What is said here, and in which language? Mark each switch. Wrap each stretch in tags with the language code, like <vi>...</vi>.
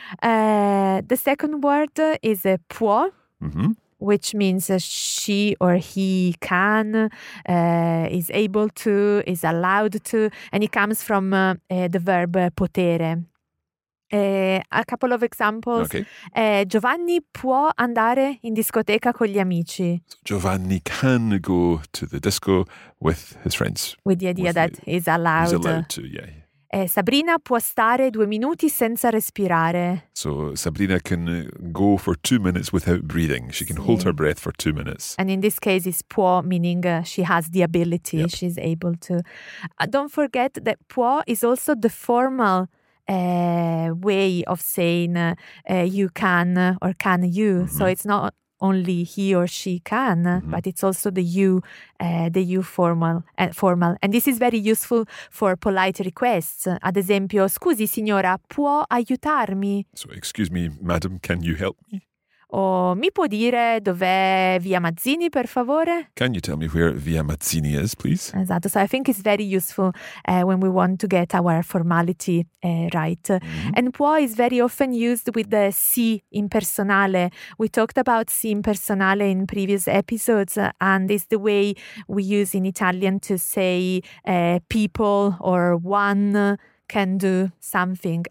<en>The second word is può, which means she or he can, is able to, is allowed to, and it comes from the verb potere. A couple of examples. Okay. Giovanni può andare in discoteca con gli amici. So Giovanni can go to the disco with his friends. With the idea with that he's allowed. He's allowed to, yeah. Sabrina può stare 2 minuti senza respirare. So Sabrina can go for 2 minutes without breathing. She can hold her breath for 2 minutes. And in this case it's può, meaning she has the ability, yep. She's able to. Don't forget that può is also the formal way of saying you can or can you. Mm-hmm. So it's not only he or she can, mm-hmm. but it's also the you formal. And this is very useful for polite requests.</en> <it>Ad esempio, scusi signora, può aiutarmi?</it> <en>So excuse me, madam, can you help me?</en> <it>O mi può dire dov'è Via Mazzini, per favore?</it> <en>Can you tell me where Via Mazzini is, please? Esatto, so I think it's very useful when we want to get our formality right. Mm-hmm. And può is very often used with the sì in personale. We talked about sì in personale in previous episodes and it's the way we use in Italian to say people or one can do something.</en>